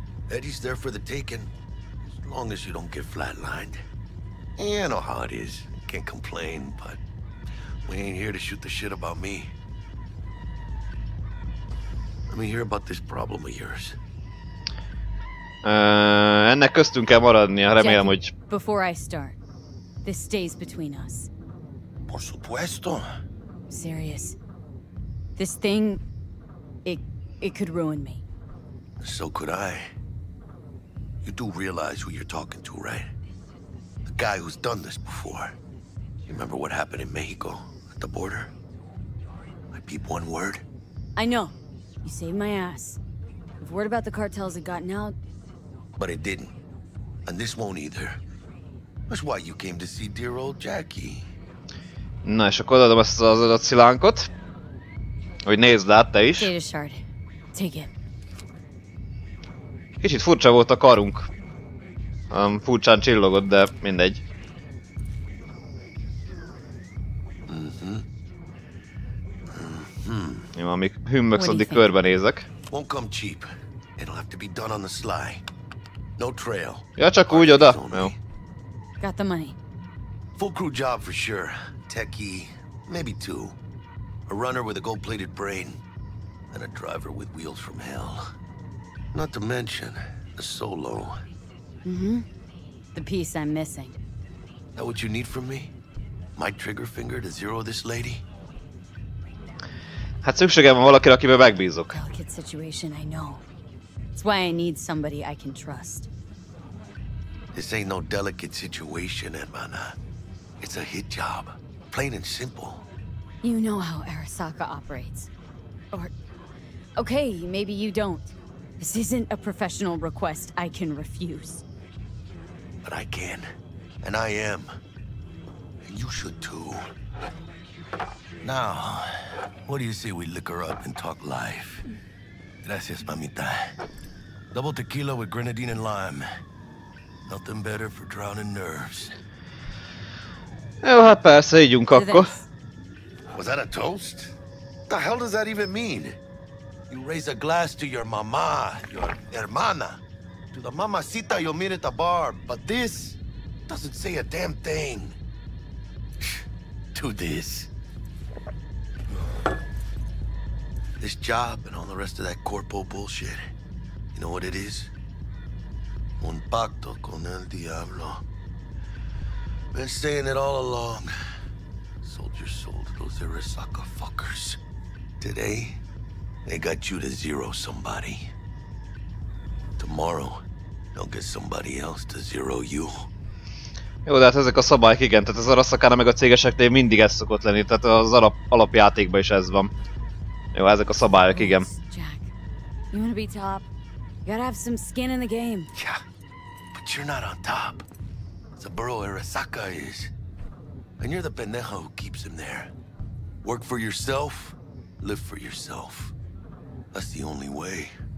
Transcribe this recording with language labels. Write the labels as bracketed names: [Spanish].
[English] Eddie's there for the taking, as long as you don't get flatlined. Yeah, I know how it is. Can't complain, but we ain't here to shoot the shit about me. Let me hear about this problem of yours. [Hungarian] Ennek köztünk kell maradnia, remélem, hogy... [English] Before I start, this stays between us. [Spanish] Por supuesto. [English] Serious. This thing, it could ruin me. So could I. You do realize who you're talking to, right? The guy who's done this before. You remember what happened in Mexico, at the border? I peep one word? I know. You saved my ass. If word about the cartels had gotten out... But it didn't. And this won't either. That's why you came to see dear old Jackie. [Hungarian] Na, és akkor adom ezt az adott szilánkot. Hogy nézd át, te is. [English] Data shard. Take it. [Hungarian] Kicsit furcsa volt a karunk. Furcsán csillogott, de mindegy. Mm-hmm. Mm-hmm. Amíg hümmöksz, addig körbenézek. [English] Won't come cheap. It'll have to be done on the sly. No trail. [Hungarian] Ja, csak úgy oda. Jó. [English] Got the money. Full crew job for sure. Techie, maybe two. A runner with a gold-plated brain. And a driver with wheels from hell. Not to mention, a solo. Mm-hmm. The piece I'm missing. That what you need from me? My trigger finger to zero this lady? [Hungarian] Hát szükségem van valakire, akiben megbízok. [English] Delicate situation, I know. That's why I need somebody I can trust. This ain't no delicate situation, hermana. It's a hit job. Plain and simple. You know how Arasaka operates. Or... okay, maybe you don't. This isn't a professional request I can refuse. But I can. And I am. And you should too. Now, what do you say we liquor up and talk life? [Spanish] Gracias, mamita. [English] Double tequila with grenadine and lime. Nothing better for drowning nerves. [Hungarian] Jó, hát persze, ígyunk akkor. [English] Was that a toast? What the hell does that even mean? You raise a glass to your mama, your hermana, to the mamacita you'll meet at the bar, but this doesn't say a damn thing to this. This job and all the rest of that corpo bullshit, you know what it is? [Spanish] Un pacto con el diablo. [English] Been saying it all along. Sold your soul to those Arasaka fuckers. Today... they got you to zero somebody. Tomorrow, they'll get somebody else to zero you. [Hungarian] Jó, de hát ezek a szabályok, igen. Tehát az Arasakana meg a cégeseknél mindig ez szokott lenni. Tehát az alapjátékban is ez van. Jó, ezek a szabályok, igen. [English] Jack, you wanna be top? You gotta have some skin in the game. Yeah, but you're not on top. It's a bro Arasaka is. And you're the pendejo who keeps him there. Work for yourself, live for yourself. That's the only way.